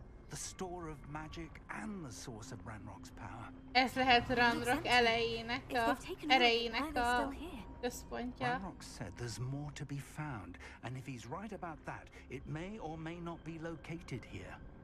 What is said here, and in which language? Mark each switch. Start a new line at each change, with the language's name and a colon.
English: The store of magic and the source of Ranrock's power.
Hungarian: Ez lehet Ranrock erejének a központja.
English: Ranrock said there's more to be found, and if he's right about that, it may or may not be located here.